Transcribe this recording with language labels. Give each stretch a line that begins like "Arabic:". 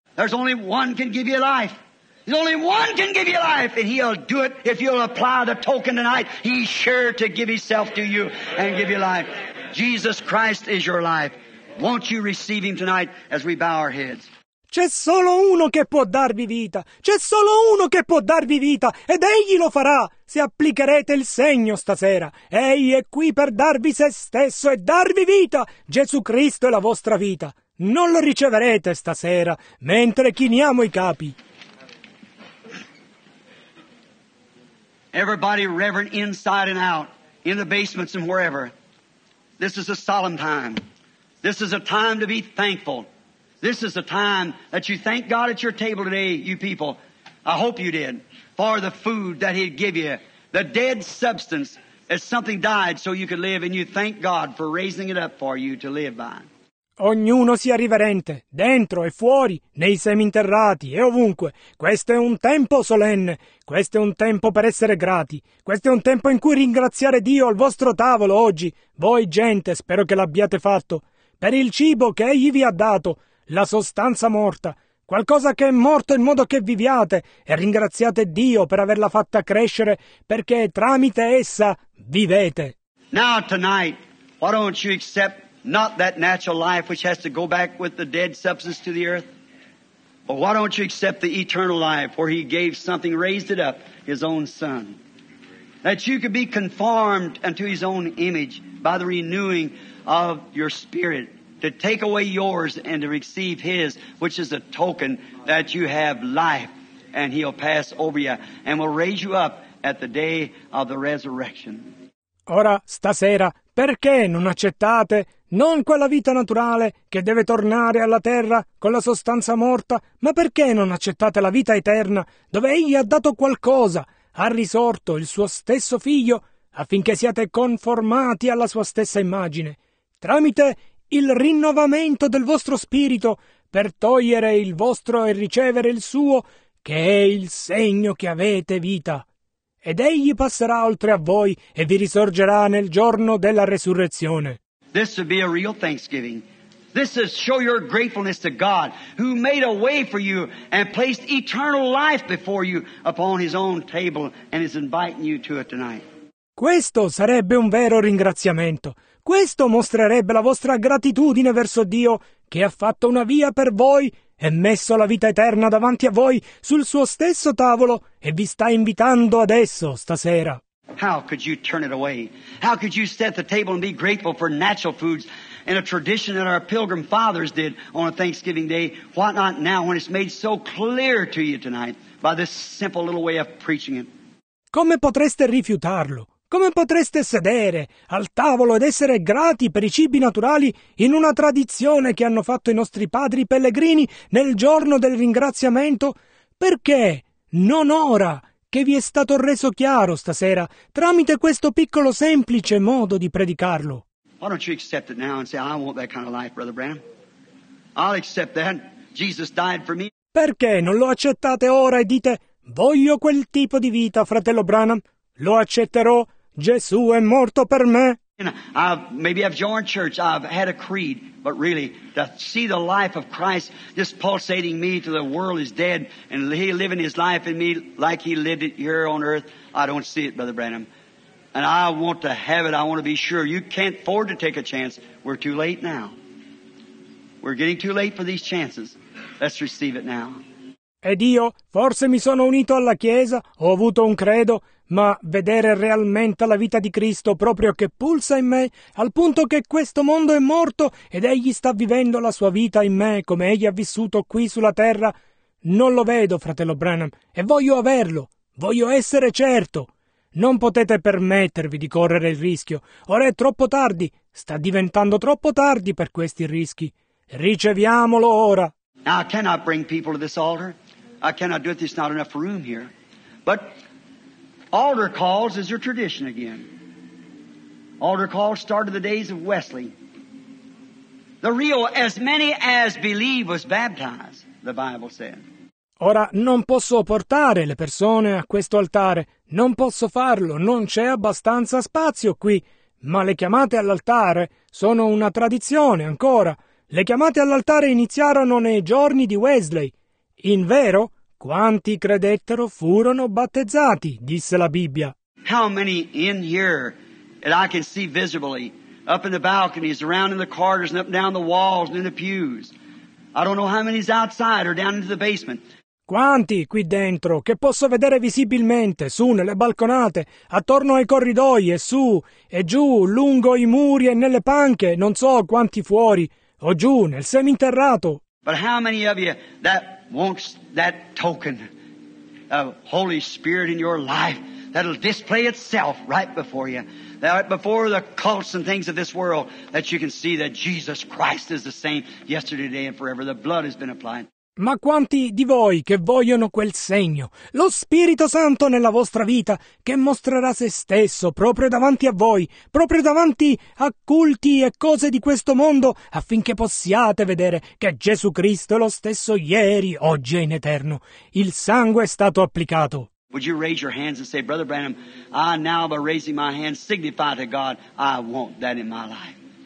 English: There's only one can give you life. There's only one can give you life, and he'll do it if you'll apply the token tonight. He's sure to give himself to you and give you life. Jesus Christ is your life. Won't you receive him tonight as we bow our heads?
Italian: C'è solo uno che può darvi vita. C'è solo uno che può darvi vita, ed egli lo farà se applicherete il segno stasera. Egli è qui per darvi se stesso e darvi vita. Gesù Cristo è la vostra vita. Non lo riceverete stasera mentre chiniamo i capi.
English: Everybody reverent inside and out, in the basements and wherever. This is a solemn time. This is a time to be thankful. This is a time that you thank God at your table today, you people. I hope you did. For the food that He'd give you. The dead substance is something died so you could live, and you thank God for raising it up for you to live by.
Italian: Ognuno sia riverente, dentro e fuori, nei seminterrati e ovunque. Questo è un tempo solenne, questo è un tempo per essere grati, questo è un tempo in cui ringraziare Dio al vostro tavolo oggi, voi gente, spero che l'abbiate fatto, per il cibo che Egli vi ha dato, la sostanza morta, qualcosa che è morto in modo che viviate, e ringraziate Dio per averla fatta crescere, perché tramite essa vivete.
English: Now tonight, why don't you accept not that natural life which has to go back with the dead substance to the earth, but why don't you accept the eternal life where He gave something, raised it up, His own Son, that you could be conformed unto His own image by the renewing of your spirit, to take away yours and to receive His, which is a token that you have life, and He'll pass over you and will raise you up at the day of the resurrection.
Italian: Ora, stasera, perché non accettate non quella vita naturale che deve tornare alla terra con la sostanza morta, ma perché non accettate la vita eterna dove Egli ha dato qualcosa, ha risorto il suo stesso Figlio affinché siate conformati alla sua stessa immagine, tramite il rinnovamento del vostro spirito per togliere il vostro e ricevere il suo, che è il segno che avete vita. Ed Egli passerà oltre a voi e vi risorgerà nel giorno della resurrezione.
English: This would be a real thanksgiving. This is show your gratefulness to God, who made a way for you and placed eternal life before you upon His own table and is inviting you to it tonight.
Italian: Questo sarebbe un vero ringraziamento. Questo mostrerebbe la vostra gratitudine verso Dio, che ha fatto una via per voi e messo la vita eterna davanti a voi sul suo stesso tavolo e vi sta invitando adesso, stasera.
English: How could you turn it away? How could you set the table and be grateful for natural foods in a tradition that our pilgrim fathers did on a Thanksgiving day? Why not now, when it's made so clear to you tonight by this simple little way of preaching it?
Italian: Come potreste rifiutarlo? Come potreste sedere al tavolo ed essere grati per i cibi naturali in una tradizione che hanno fatto i nostri padri pellegrini nel giorno del ringraziamento? Perché non ora che vi è stato reso chiaro stasera tramite questo piccolo semplice modo di predicarlo?
English: Why don't you accept it now and say, I want that kind of life, Brother Branham. I'll accept that. Jesus died for me.
Italian: Perché non lo accettate ora e dite, voglio quel tipo di vita, fratello Branham? Lo accetterò. Gesù è morto per me.
English: I've joined church. I've had a creed, but really, to see the life of Christ just pulsating me to the world is dead, and He living His life in me like He lived it here on earth. I don't see it, Brother Branham, and I want to have it. I want to be sure. You can't afford to take a chance. We're too late now. We're getting too late for these chances. Let's receive it now.
Italian: Ed io, forse mi sono unito alla Chiesa, ho avuto un credo, ma vedere realmente la vita di Cristo proprio che pulsa in me, al punto che questo mondo è morto ed Egli sta vivendo la sua vita in me come Egli ha vissuto qui sulla terra, non lo vedo, fratello Branham, e voglio averlo, voglio essere certo. Non potete permettervi di correre il rischio, ora è troppo tardi, sta diventando troppo tardi per questi rischi. Riceviamolo ora.
English: Now, I cannot bring people to this altar. I cannot do it. There's not enough room here. But altar calls is your tradition again. Altar calls started the days of Wesley. The real, as many as believe was baptized, the Bible said.
Italian: Ora, non posso portare le persone a questo altare. Non posso farlo. Non c'è abbastanza spazio qui. Ma le chiamate all'altare sono una tradizione ancora. Le chiamate all'altare iniziarono nei giorni di Wesley. In vero, quanti credettero furono battezzati, disse la Bibbia.
English: How many in here that I can see visibly, up in the balconies, around in the corridors, and up down the walls, and in the pews? I don't know how many's outside or down into the basement.
Italian: Quanti qui dentro che posso vedere visibilmente, su nelle balconate, attorno ai corridoi e su e giù, lungo i muri e nelle panche, non so quanti fuori. O giù, nel seminterrato.
English: But how many of you that wants that token of Holy Spirit in your life, that'll display itself right before you, right before the cults and things of this world, that you can see that Jesus Christ is the same yesterday, today and forever. The blood has been applied.
Italian: Ma quanti di voi che vogliono quel segno, lo Spirito Santo nella vostra vita, che mostrerà se stesso proprio davanti a voi, proprio davanti a culti e cose di questo mondo, affinché possiate vedere che Gesù Cristo è lo stesso ieri, oggi e in eterno. Il sangue è stato applicato.
English: Would you raise your hands and say, Brother Branham, I now by raising my hands signify to God, I want that in my life.